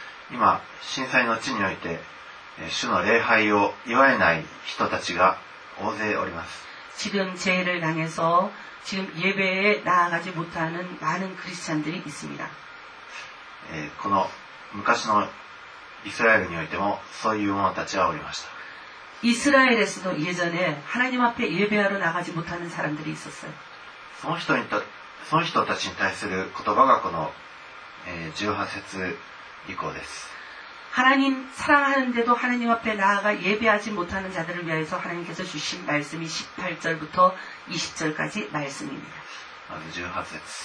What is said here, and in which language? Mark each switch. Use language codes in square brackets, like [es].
[ja] 今震災の地において主の礼拝を祝えない人たちが大勢おります。 [ko] 지금재해를당해서지금예배에나아가지못하는많은크리스찬들이있습니다 [ja] この昔のイスラエルにおいてもそういう者たちがおりました。 [ko] 이스라엘에서도예전에하나님앞에예배하러나가지못하는사람들이있었어요 [ja] その人にとその人たちに対する言葉がこの18節以降です。 [ko] 하나님사랑하는데도하나님앞에나아가예배하지못하는자들을위해서하나님께서주신말씀이18절부터20절까지말씀입니다。 [ja] まず18節。